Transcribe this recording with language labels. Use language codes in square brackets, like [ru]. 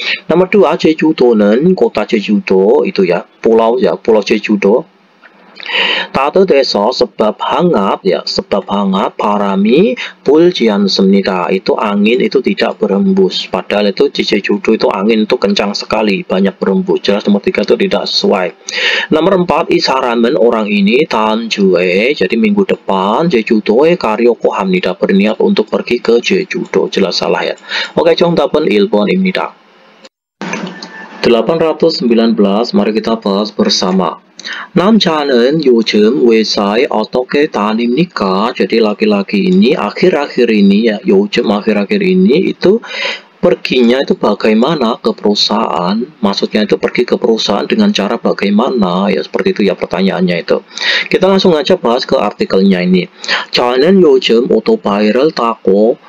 [id] Nomor 2, Jeju-do는 kota Jeju-do itu ya, pulau ya, pulau Jeju-do. [ko] 따뜻해서 [id] sebab hangat ya, sebab hangat [ko] 바람이 불지 않습니다. [id] Itu angin itu tidak berembus. Padahal itu di Jeju-do itu angin itu kencang sekali, banyak berembus. Jelas nomor 3 itu tidak sesuai. Nomor 4, [ko] 이 사람은 [id] orang ini [ko] 다음 주에 [id] jadi minggu depan [ko] 제주도에 가려고 합니다. [id] Berniat untuk pergi ke Jeju-do. Jelas salah ya. [ko] Oke, 정답은 1번입니다. [id] 819, mari kita bahas bersama. [ko] 남자는 요즘 회사에 어떻게 다닙니까? [id] Jadi laki-laki ini akhir-akhir ini ya, yojem akhir-akhir ini itu perginya itu bagaimana ke perusahaan? Maksudnya itu pergi ke perusahaan dengan cara bagaimana? Ya seperti itu ya pertanyaannya itu. Kita langsung aja bahas ke artikelnya ini. [ko] 저는 요즘 오토바이를 타고